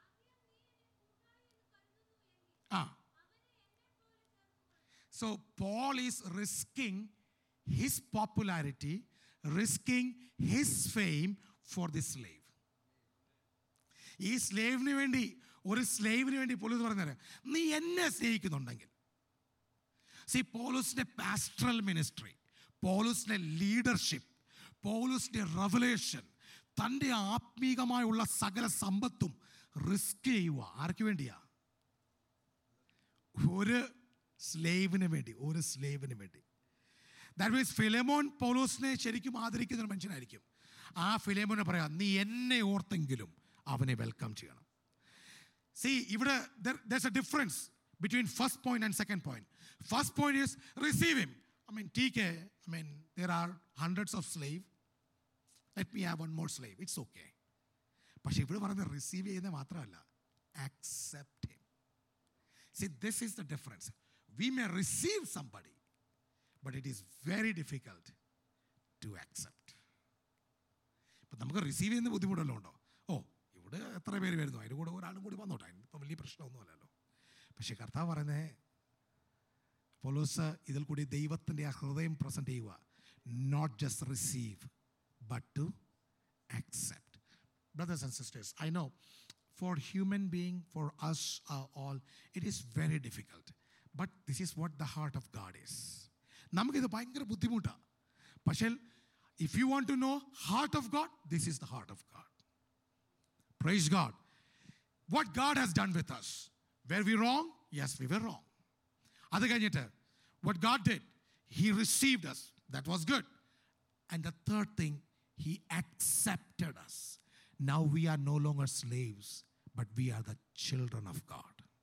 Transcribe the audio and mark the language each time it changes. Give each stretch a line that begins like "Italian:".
English: 17. Ah. So Paul is risking his popularity, risking his fame for this slave.
Malayalam: ഈ സ്ലേവിന് വേണ്ടി, ഒരു സ്ലേവിന് വേണ്ടി police പറഞ്ഞു തരാം, നീ എന്നെ സ്നേഹിക്കുന്നുണ്ടെങ്കിൽ.
English: See, Paulus's pastoral ministry, Paulus's leadership, Paulus's revelation,
Malayalam: തൻ്റെ ആത്മീകമായുള്ള സകല സമ്പത്തും റിസ്ക് ചെയ്യുക ആർക്ക് വേണ്ടിയാ? ഒരു സ്ലേവിന് വേണ്ടി, ഒരു സ്ലേവിന് വേണ്ടി.
English: that means
Malayalam: ഫിലേമോൻ പൗലോസിനെ ശരിക്കും ആദരിക്കുന്ന ഒരു മനുഷ്യനായിരിക്കും. ആ ഫിലേമോനെ പറയാ, നീ എന്നെ ഓർത്തെങ്കിലും അവനെ വെൽക്കം ചെയ്യണം.
English: See, ഇവിടെ there's a difference between first point and second point. First point is receive him. I mean T K, I mean there are hundreds of slave, let me have one more slave, it's okay.
Malayalam: പക്ഷേ ഇവിടെ പറഞ്ഞ receive ചെയ്യുന്ന മാത്രമല്ല,
English: Accept him. See, this is the difference. We may receive somebody, but it is very difficult to accept.
Malayalam: But namukku receive enna budhimudallo undo? Oh, ivide ethra peru varunu, ayidu kooda oralum koodi vannotta, ippa valiya prashnam onnum allallo. Pakshe kartha parane, പൗലോസ് ഇതിൽ കൂടി ദൈവത്തിൻ്റെ ആ ഹൃദയം present ചെയ്യുക.
English: Not just receive but to accept. Brothers and sisters, I know for human being, for us all it is very difficult, but this is what the heart of God is.
Malayalam: നമുക്കിത് ഭയങ്കര ബുദ്ധിമുട്ടാണ്, പക്ഷേ
English: If you want to know heart of God, this is the heart of God. Praise God. What God has done with us. Were we wrong? Yes, we were wrong.
Malayalam: Adu kanjittu,
English: what God did, He received us. That was good. And the third thing, He accepted us. Now we are no longer slaves, but we are the children of God.